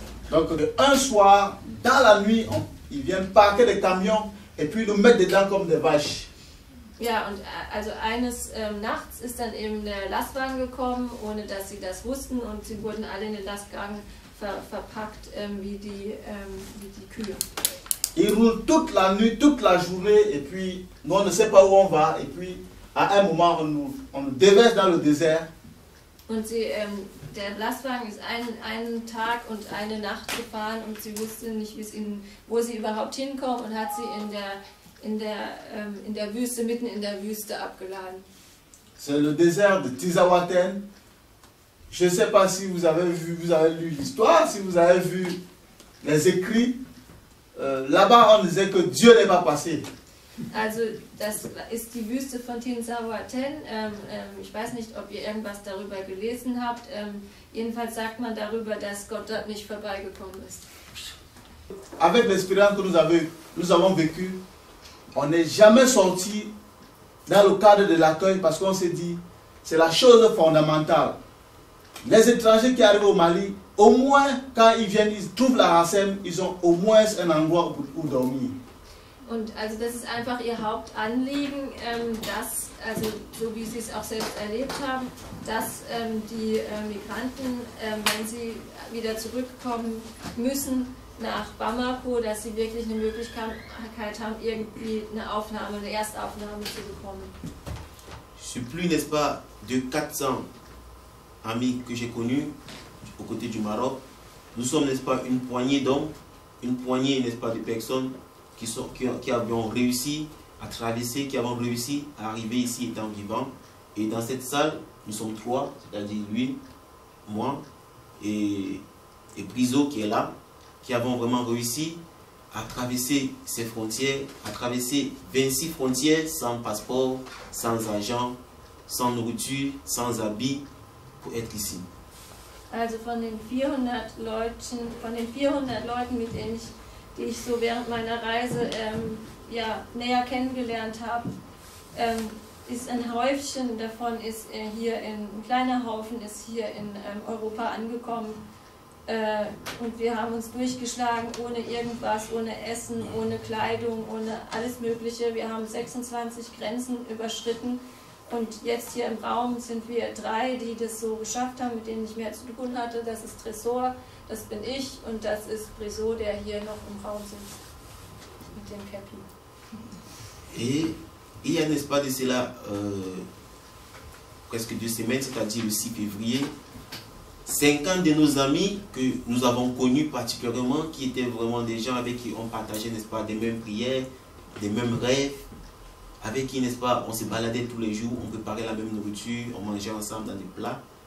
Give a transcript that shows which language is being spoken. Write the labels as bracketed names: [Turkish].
[French] Donc, un soir, dans la nuit, ils viennent parker les camions et puis nous mettre dedans comme des vaches. [German] Ja, und also eines Nachts ist dann eben der Lastwagen gekommen, ohne dass sie das wussten, und sie wurden alle in den Lastwagen verpackt, wie die Kühe. [French] Ils roulent toute la nuit, toute la journée, et puis nous, on ne sait pas où on va, et puis à un moment, on nous déverse dans le désert. [German] Und der Lastwagen ist einen Tag und eine Nacht gefahren, und sie wussten nicht, wo sie überhaupt hinkommen, und hat sie in der Wüste, mitten in der Wüste abgeladen. [French] C'est le désert de Tizawatène. Je ne sais pas si vous avez vu, vous avez lu l'histoire, si vous avez vu les écrits. Là-bas, on disait que Dieu les va passer. [German] Also, das ist die Wüste von Tizawatène. Ich weiß nicht, ob ihr irgendwas darüber gelesen habt. Jedenfalls sagt man darüber, dass Gott dort nicht vorbeigekommen ist. [French] Avec l'expérience que nous avons vécue, on n'est jamais sorti dans le cadre de l'accueil parce qu'on s'est dit, c'est la chose fondamentale. Les étrangers qui arrivent au Mali, au moins quand ils viennent, ils trouvent la racine, ils ont au moins un endroit où dormir. [German] Und also das ist einfach ihr Hauptanliegen, dass, also so wie sie es auch selbst erlebt haben, dass die Migranten, wenn sie wieder zurückkommen müssen nach Bamako, dass sie wirklich eine Möglichkeit haben, irgendwie eine Aufnahme, eine Erstaufnahme zu bekommen. [French] Supplie, n'est-ce pas, de 400 amis que j'ai connus aux côtés du Maroc. Nous sommes, n'est-ce pas, une poignée d'hommes, une poignée, n'est-ce pas, de personnes qui avons réussi à traverser, qui avons réussi à arriver ici étant vivants. Et dans cette salle, nous sommes trois, c'est-à-dire lui, moi et Briso qui est là, qui avons vraiment réussi à traverser ces frontières, à traverser 26 frontières sans passeport, sans argent, sans nourriture, sans habits, pour être ici. [German] Also von den 400 Leuten, die ich so während meiner Reise ja, näher kennengelernt habe, ist ein Häufchen davon ist hier in ein kleiner Haufen ist hier in Europa angekommen, und wir haben uns durchgeschlagen ohne irgendwas, ohne Essen, ohne Kleidung, ohne alles Mögliche. Wir haben 26 Grenzen überschritten. Und jetzt hier im Raum sind wir drei, die das so geschafft haben, mit denen ich mehr zu tun hatte. Das ist Tresor, das bin ich, und das ist Briso, der hier noch im Raum sitzt, mit dem Cappy. [French] Et il y a, n'est-ce pas, de cela, presque deux semaines, c'est-à-dire le 6 février, 50 de nos amis que nous avons connus particulièrement, qui étaient vraiment des gens avec qui on partageait, n'est-ce pas, des mêmes prières, des mêmes rêves, avec qui, n'est-ce pas, on se baladait tous les jours, on préparait la même nourriture, on mangeait ensemble dans des plats.